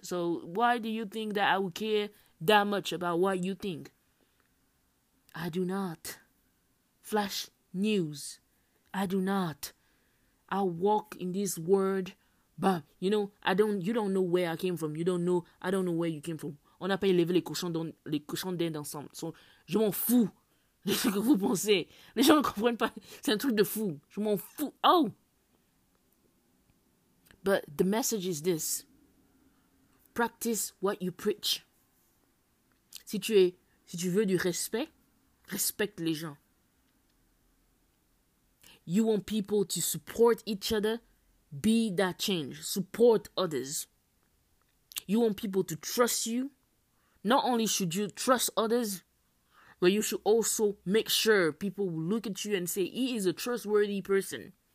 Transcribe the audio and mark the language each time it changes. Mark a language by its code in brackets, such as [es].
[en] So why do you think that I would care that much about what you think? I do not. Flash news. I do not. I walk in this world, but you know, you don't know where I came from. I don't know where you came from. [fr] On a pas élevé les cochons d'Inde ensemble. So, je m'en fous de ce que vous pensez. Les gens ne comprennent pas. C'est un truc de fou. Je m'en fous. Oh! [en] But the message is this. Practice what you preach. [fr] Si tu veux du respect, respect les gens. [en] You want people to support each other, be that change. Support others. You want people to trust you. Not only should you trust others, but you should also make sure people will look at you and say, he is a trustworthy person.